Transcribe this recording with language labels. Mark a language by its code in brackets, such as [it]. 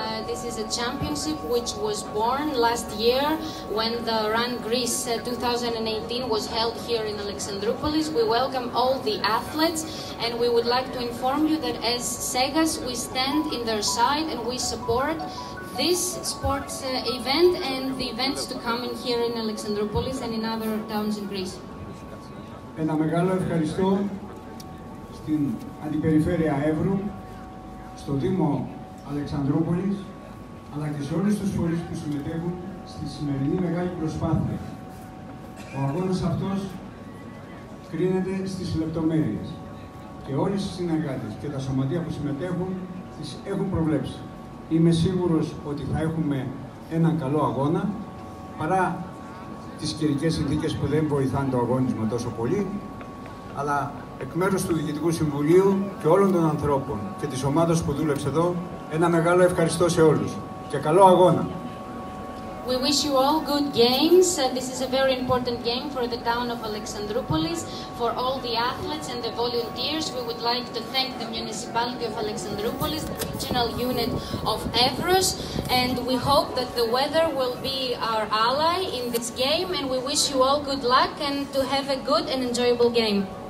[en] This is a championship which was born last year when the Run Greece 2018 was held here in Alexandroupolis. We welcome all the athletes and we would like to inform you that as ΣΕΓΑΣ we stand in their side and we support this sports event and the events to come in here in Alexandroupolis and in other towns in Greece. [el] Ένα μεγάλο ευχαριστώ στην αντιπεριφέρεια Εύρου, στο Δήμο Αλεξανδρούπολης, αλλά και σε όλους τους φορείς που συμμετέχουν στη σημερινή μεγάλη προσπάθεια. Ο αγώνας αυτός κρίνεται στις λεπτομέρειες και όλες οι συνεργάτες και τα σωματεία που συμμετέχουν τις έχουν προβλέψει. Είμαι σίγουρος ότι θα έχουμε έναν καλό αγώνα, παρά τις καιρικές συνθήκες που δεν βοηθάνε το αγώνισμα τόσο πολύ, αλλά εκ μέρους του Διοικητικού Συμβουλίου και όλων των ανθρώπων και της ομάδας που δούλεψε εδώ, ένα μεγάλο ευχαριστώ σε όλους και καλό αγώνα. [en] We wish you all good games. This is a very important game for the town of Alexandroupolis, for all the athletes and the volunteers. We would like to thank the municipality of Alexandroupolis, the regional unit of Evros, and we hope that the weather will be our ally in this game, and we wish you all good luck and to have a good and enjoyable game.